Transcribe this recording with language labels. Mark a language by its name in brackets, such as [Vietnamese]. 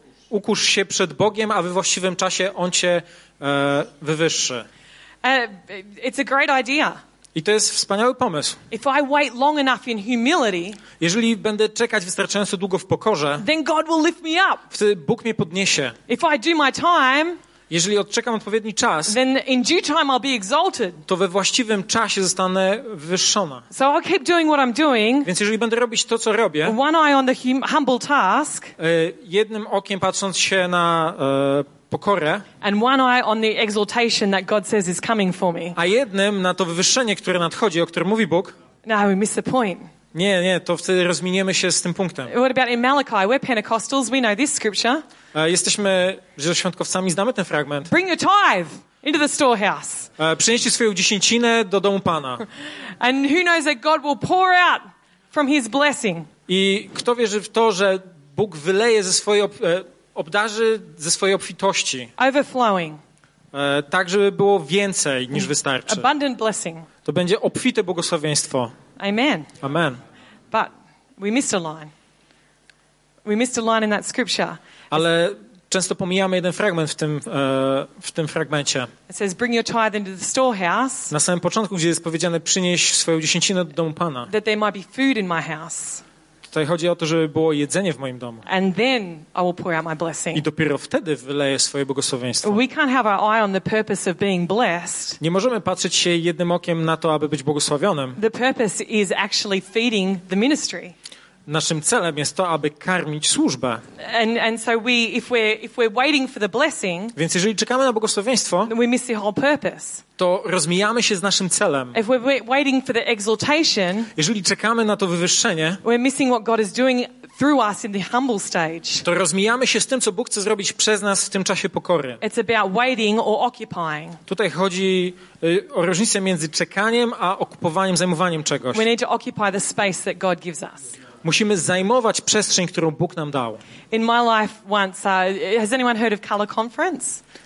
[Polish] Ukusz się przed Bogiem, a we właściwym czasie on cię wywyższy. [English] It's a great idea. [Polish] I to jest wspaniały pomysł. [English] If I wait long enough in humility, [Polish] jeżeli będę czekać wystarczająco długo w pokorze, [English] then God will lift me up. [Polish] Wtedy Bóg mnie podniesie. [English] If I do my time, [Polish] jeżeli odczekam odpowiedni czas, [English] then in due time I'll be exalted. [Polish] To we właściwym czasie zostanę wywyższona. [English] So I'll keep doing what I'm doing, [Polish] więc jeżeli będę robić to, co robię, [English] one eye on the humble task, [Polish] jednym okiem patrząc się na pokorę. [English] And one eye on the exaltation that God says is coming for me. [Polish] A jednym na to wywyższenie, które nadchodzi, o którym mówi Bóg. [English] Now we miss the point. [Polish] Nie, nie, to wtedy rozminiemy się z tym punktem. [English] What about in Malachi? We're Pentecostals, we know this scripture. [Polish] Jesteśmy świątkowcami, znamy ten fragment. [English] Bring your tithe into the storehouse. [Polish] Przynieście swoją dziesięcinę do domu Pana. [English] And who knows that God will pour out from his blessing. [Polish] I kto wierzy w to, że Bóg wyleje ze swojej obdarzy ze swojej obfitości. [English] Overflowing. [Polish] Tak, żeby było więcej niż wystarczy. [English] Abundant blessing. [Polish] To będzie obfite błogosławieństwo. [English] Amen. [Polish] Amen. [English] But we missed a line. We missed a line in that scripture. [Polish] Ale często pomijamy jeden fragment w tym fragmencie. [English] It says, bring your tithe into the storehouse. [Polish] Na samym początku, gdzie jest powiedziane, przynieś swoją dziesięcinę do domu Pana. [English] That there might be food in my house. [Polish] Tutaj chodzi o to, żeby było jedzenie w moim domu. [English] And then I will pour out my blessing. [Polish] I dopiero wtedy wyleję swoje błogosławieństwo. [English] We can't have our eye on the purpose of being blessed. [Polish] Nie możemy patrzeć się jednym okiem na to, aby być błogosławionym. [English] The purpose is actually feeding the ministry. [Polish] Naszym celem jest to, aby karmić służbę. [English] And so we, if we're waiting for the blessing, [Polish] więc jeżeli czekamy na błogosławieństwo, [English] then we miss the whole purpose. [Polish] To rozmijamy się z naszym celem. [English] If we're waiting for the exaltation, [Polish] jeżeli czekamy na to wywyższenie, [English] we're missing what God is doing through us in the humble stage. [Polish] To rozmijamy się z tym, co Bóg chce zrobić przez nas w tym czasie pokory. [English] It's about waiting or occupying. [Polish] Tutaj chodzi o różnicę między czekaniem a okupowaniem, zajmowaniem czegoś. [English] We need to occupy the space that God gives us. [Polish] Musimy zajmować przestrzeń, którą Bóg nam dał. [English] In my life once, has anyone heard of color conference?